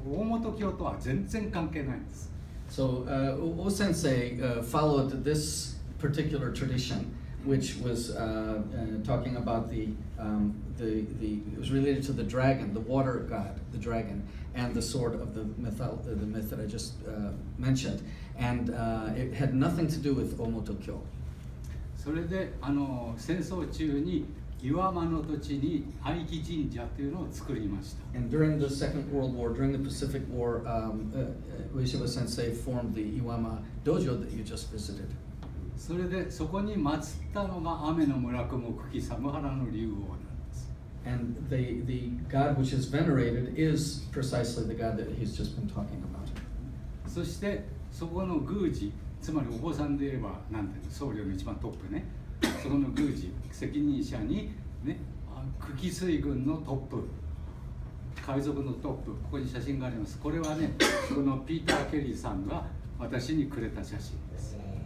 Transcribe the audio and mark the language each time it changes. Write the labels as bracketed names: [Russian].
[Japanese] 大本教とは全然関係ないんです。 [English] So, O sensei followed this particular tradition, which was talking about the it was related to the dragon, the water god, the dragon. And the sword of the myth that I just mentioned, and it had nothing to do with Omoto Kyo. [Japanese] それで、戦争中に岩間の土地に愛木神社というのを作りました。 [English] And during the Second World War, during the Pacific War, Ueshiba Sensei formed the Iwama Dojo that you just visited. [Japanese] それでそこに祀ったのが雨の村雲久喜サムハラの竜王。 [English] And the god which is venerated is precisely the god that he's just been talking about. [Japanese] そしてそこの宮司、つまりお坊さんで言えば何て言うの、僧侶の一番トップね。そこの宮司、責任者にね、久喜水軍のトップ、海賊のトップ、ここに写真があります。これはね、このピーター・ケリーさんが私にくれた写真です。